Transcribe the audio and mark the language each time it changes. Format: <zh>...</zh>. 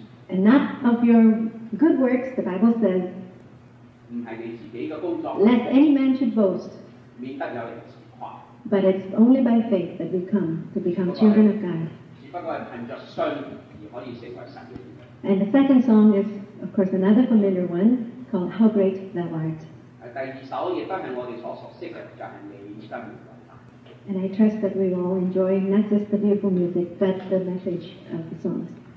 <en>And not of your good works, the Bible says,</en> <zh>不是你自己的工作,</zh> <en>lest any man should boast,</en> <zh>免得有人自夸,</zh> <en>but it's only by faith that we come to become children of God.</en> <zh>只不过是凭着信而可以成为神的儿女。</zh> <en>And the second song is, of course, another familiar one called How Great Thou Art.</en> <zh>第二首也都是我们所熟悉的，就是你真如。</zh> <en>And I trust that we all enjoy not just the beautiful music, but the message of the songs.</en>